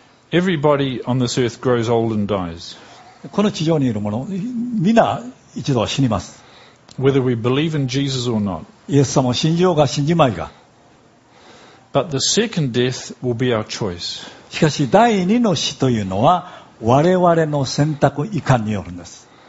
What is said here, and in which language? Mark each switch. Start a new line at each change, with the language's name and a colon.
English: Everybody on this earth grows old and dies.
Japanese: この地上にいる者みんな一度は死にます。
English: Whether we believe in Jesus or not.
Japanese: イエス様を信じようが信じまいが。
English: But the second death will be our choice.
Japanese: しかし第二の死というのは我々の選択以下によるんです。